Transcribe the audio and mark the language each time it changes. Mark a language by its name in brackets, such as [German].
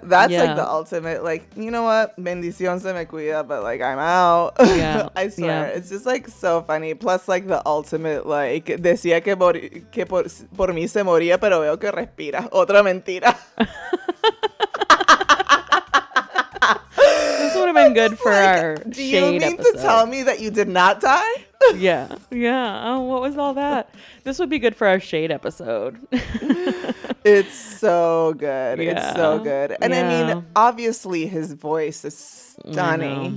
[English] That's like the ultimate, like, you know what? [Spanish] Bendición se me cuida, [English] but like, I'm out. Yeah. I swear. Yeah. It's just like so funny. Plus, like, the ultimate, like, [Spanish] decía que, por mí se moría, pero veo que respira. Otra mentira. [English] This would have been good for like, our Do you mean episode. To tell me that you did not die? Yeah. Yeah. Oh, what was all that? This would be good for our Shade episode. It's so good. Yeah. It's so good. And yeah. I mean, obviously his voice is stunning. You know.